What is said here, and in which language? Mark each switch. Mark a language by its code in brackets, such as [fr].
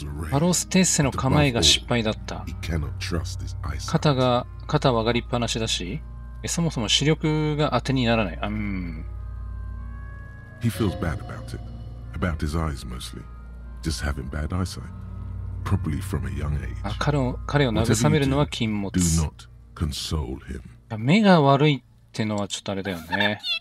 [ja] パロステッセの構えが失敗だった。肩は上がりっぱなしだし、そもそも視力が当てにならない。 [en] He feels bad about it. About his eyes mostly. Just having bad eyesight. Probably from a young age. [ja] 彼を慰めるのは禁物。 [en] Do not console him. [ja] 目が悪いってのはちょっとあれだよね。